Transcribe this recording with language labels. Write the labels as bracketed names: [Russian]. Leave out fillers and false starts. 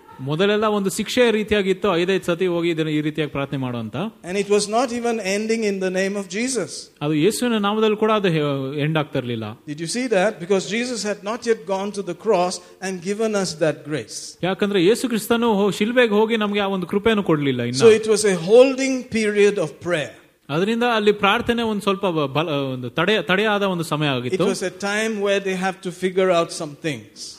[Kannada] ಮೊದಲೆಲ್ಲ ಒಂದು ಶಿಕ್ಷೆಯ ರೀತಿಯಾಗಿತ್ತು, ಐದೈದು ಸತಿ ಹೋಗಿ ಇದನ್ನು ಈ ರೀತಿಯಾಗಿ ಪ್ರಾರ್ಥನೆ ಮಾಡುವಂತ. [English] And it was not even ending in the name of Jesus. [Kannada] ಅದು ಯೇಸುವಿನ ನಾಮದಲ್ಲಿ ಕೂಡ ಅದು ಎಂಡ್ ಆಗ್ತಾ ಇರಲಿಲ್ಲ. [English] Did you see that? Because Jesus had not yet gone to the cross and given us that grace. [Kannada] ಯಾಕಂದ್ರೆ ಯೇಸು ಕ್ರಿಸ್ತನು ಶಿಲುಬೆಗೆ ಹೋಗಿ ನಮಗೆ ಆ ಒಂದು ಕೃಪೆಯನ್ನು ಕೊಡಲಿಲ್ಲ ಇನ್ನು. [English] So it was a holding period of prayer. [Kannada] ಅದರಿಂದ ಅಲ್ಲಿ ಪ್ರಾರ್ಥನೆ ಒಂದು ಸ್ವಲ್ಪ ಒಂದು ತಡೆಯಾದ ಒಂದು ಸಮಯ ಆಗಿತ್ತು. [English] It was a time where they have to figure out some things.